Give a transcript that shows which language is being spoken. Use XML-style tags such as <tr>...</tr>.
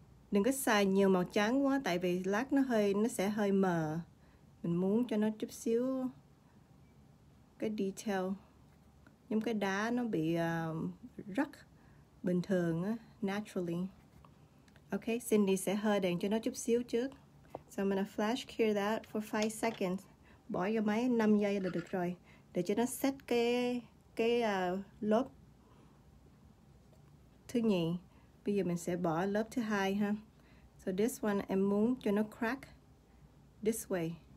<vi>Đừng có xài nhiều màu trắng quá, tại vì lát nó sẽ hơi mờ. Mình muốn cho nó chút xíu cái detail. Nhưng cái đá nó bị rất bình thường á, naturally. Okay, Cindy sẽ hơ đèn cho nó chút xíu trước.</vi> <en>So I'm gonna flash cure that for 5 seconds.</en> <vi>Bỏ vô máy 5 giây là được rồi. Để cho nó set cái lớp thứ nhì. Bây giờ mình sẽ bỏ lớp thứ hai ha. So this one em muốn cho nó</vi> <en>crack this way.</en>